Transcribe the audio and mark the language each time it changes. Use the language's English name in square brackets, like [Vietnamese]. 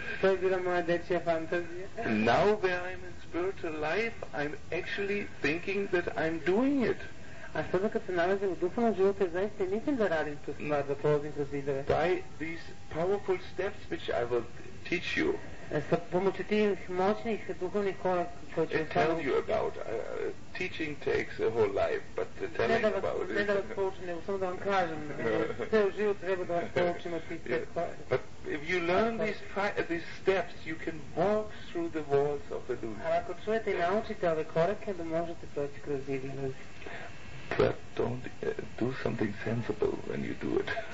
[Serbian] To je bila moja dečija fantazija. [English] Now where I'm in spiritual life, I'm actually thinking that I'm doing it. [Serbian] A sada kad se nalazim u duhovnom životu, ja zaista mislim da radim tu stvar, da prolazim kroz zidove. [English] By these powerful steps which I will teach you, [Serbian] sa pomoću tih moćnih duhovnih koraka koje ću [English] tell you about, teaching takes a whole life, but telling about it. [Serbian] Ne da vas poučim, nego samo da vam kažem, ceo život treba da vas poučim od tih pet koraka. [English] But if you learn these steps, you can walk through the walls of illusion. [Serbian] Ali ako čujete i naučite ove korake, da možete proći kroz zid iluzije. [English] But don't do something sensible when you do it.